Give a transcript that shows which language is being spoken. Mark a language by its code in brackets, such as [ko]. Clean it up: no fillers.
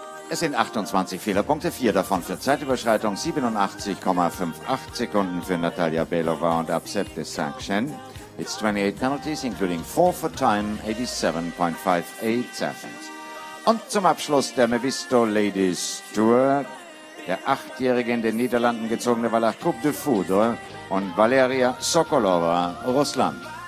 [de] Es sind 28 Fehlerpunkte, 4 davon für Zeitüberschreitung, 87,58 Sekunden für Natalia Belova und Upset de Saint-Chen. [en] It's 28 penalties, including 4 for time, 87.58 seconds. [de] Und zum Abschluss der Mevisto Ladies Tour, der 8-jährige in den Niederlanden gezogene Valach Coupe de Foudre und Valeria Sokolova, Russland.